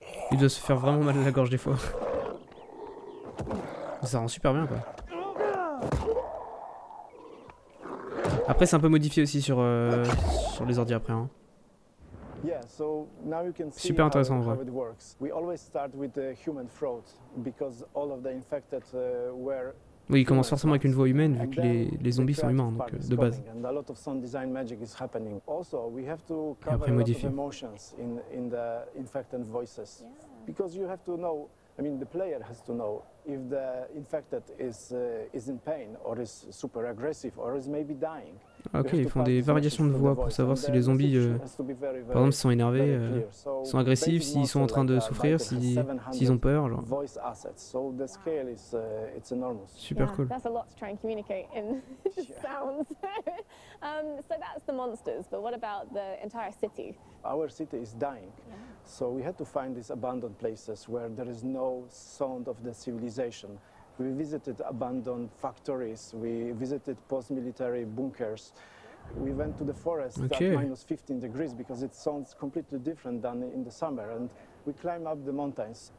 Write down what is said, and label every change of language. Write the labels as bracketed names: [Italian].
[French] Il doit se faire vraiment mal à la gorge des fois. Ça rend super bien quoi. Après c'est un peu modifié aussi sur sur les ordi après hein. [English] Yeah, so now you can see [French] super intéressant [English] how it works. We always start with the human throat because all of the infected were. [French] Oui, il commence forcément avec une voix humaine vu que les zombies sont humains donc de base. [English] And a lot of sound design magic is happening. Also, we have to cover a lot of emotions in the infected voices. Yeah. Because you have to know, I mean the player has to know if the infected is in pain or is super aggressive or is maybe dying. [French] OK, ils font des variations de voix pour savoir si les zombies par exemple sont énervés, sont agressifs, s'ils sont en train de souffrir, s'ils ont peur genre. [English] So the scale is it's enormous. [French] Super cool. [English] That's a lot to try and communicate in sounds. So that's the monsters, but what about the entire city? Our city is dying. So we had to find these abandoned places where there is no sound of the civilization. We visited abandoned factories, we visited post-military bunkers, we went to the forest at minus 15 degrees because it sounds completely different than in the summer, and we climbed up the mountains.